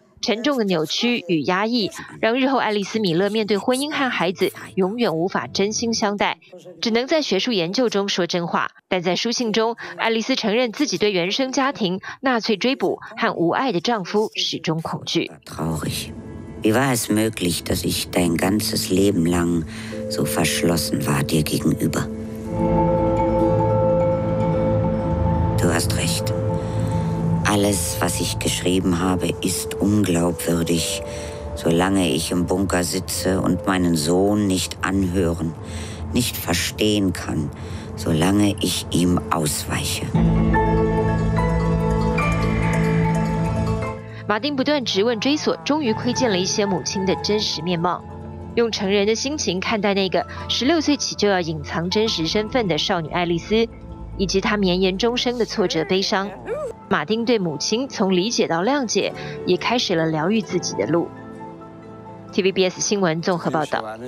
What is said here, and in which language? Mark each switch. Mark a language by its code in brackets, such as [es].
[zh] 沉重的扭曲与压抑让日后爱丽丝·米勒面对婚姻和孩子永远无法真心相待，只能在学术研究中说真话。但在书信中，爱丽丝承认自己对原生家庭、纳粹追捕和无爱的丈夫始终恐惧。 [de] Traurig. Wie war es möglich, dass ich dein ganzes Leben lang so verschlossen war dir gegenüber? Du hast recht. Alles, was ich geschrieben habe, ist unglaubwürdig, solange ich im Bunker sitze und meinen Sohn nicht anhören, nicht verstehen kann, solange ich ihm ausweiche. [zh] 马丁不断质问追索，终于窥见了一些母亲的真实面貌，用成人的心情看待那个16岁起就要隐藏真实身份的少女爱丽丝，以及她绵延终生的挫折悲伤。马丁对母亲从理解到谅解，也开始了疗愈自己的路。 TVBS 新闻综合报道。